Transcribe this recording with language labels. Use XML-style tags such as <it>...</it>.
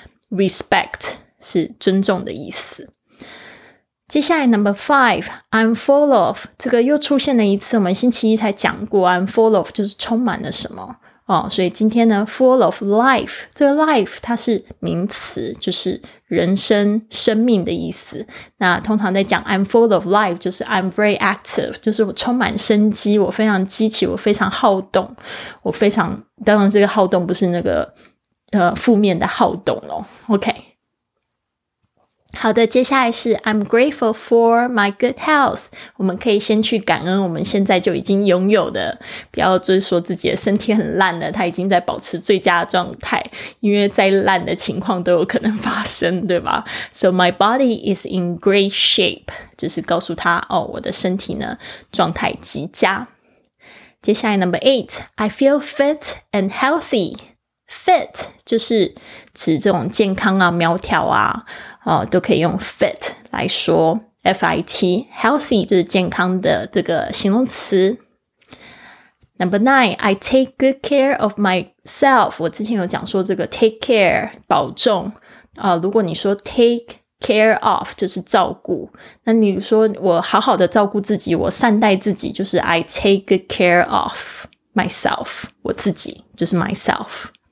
<zh>Respect 是尊重的意思。接下来</zh> <en>Number five， I'm full of，</en> <zh>这个又出现了一次，我们星期一才讲过</zh> <en>I'm full of</en> <zh>就是充满了什么所以今天呢</zh> <en>full of life，</en> <zh>这个 life 它是名词，就是人生生命的意思。那通常在讲</zh> <en>I'm full of life</en> <zh>就是</zh> <en>I'm very active，</en> <zh>就是我充满生机，我非常积极，我非常好动，我非常，当然这个好动不是那个负面的好动哦。</zh> <en>OK，</en> <zh>好的，接下来是</zh> <en>I'm grateful for my good health。</en> <zh>我们可以先去感恩我们现在就已经拥有的，不要就是说自己的身体很烂了，它已经在保持最佳状态，因为再烂的情况都有可能发生，对吧？</zh> <en>So my body is in great shape，</en> <zh>就是告诉他我的身体呢状态极佳。接下来</zh> <en>Number 8， I feel fit and healthy。</en> <zh>Fit 就是指这种健康啊，苗条啊都可以用 fit 来说， F-I-T， healthy 就是健康的这个形容词。</zh> <en>Number 9， I take good care of myself。</en> <zh>我之前有讲说这个 take care 保重如果你说</zh> <en>take care of</en> <zh>就是照顾，那你说我好好的照顾自己，我善待自己，就是</zh> <en>I take good care of myself，</en> <zh>我自己就是 myself。</zh>